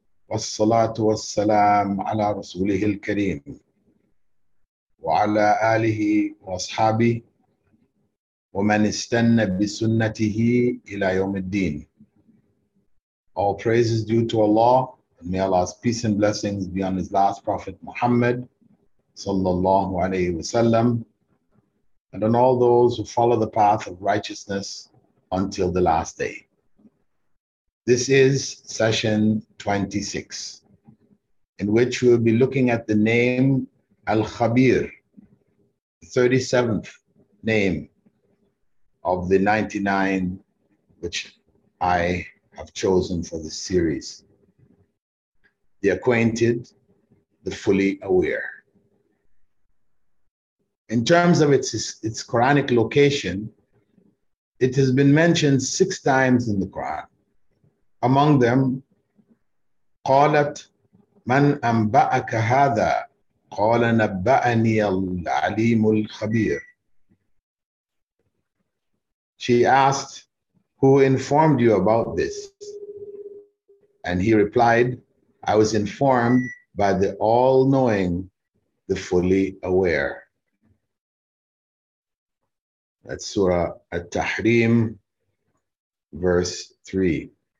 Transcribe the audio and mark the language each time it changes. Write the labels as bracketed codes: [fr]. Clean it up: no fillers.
[ar] والصلاة والسلام على رسوله الكريم وعلى آله وأصحابه ومن استنى بسنته إلى يوم الدين. [en] All praises due to Allah, and may Allah's peace and blessings be on His last Prophet Muhammad [ar] صلى الله عليه وسلم [en] and on all those who follow the path of righteousness until the last day. This is session 26, in which we'll be looking at the name Al-Khabir, the 37th name of the 99, which I have chosen for this series. The acquainted, the fully aware. In terms of its Quranic location, it has been mentioned 6 times in the Quran. Among them, [ar] قَالَتْ مَنْ أَنْبَأَكَ هَذَا قَالَ نَبَّأَنِيَ الْعَلِيمُ الْخَبِيرُ. [en] She asked, who informed you about this? And he replied, I was informed by the all-knowing, the fully aware. That's Surah At-Tahrim, verse 3.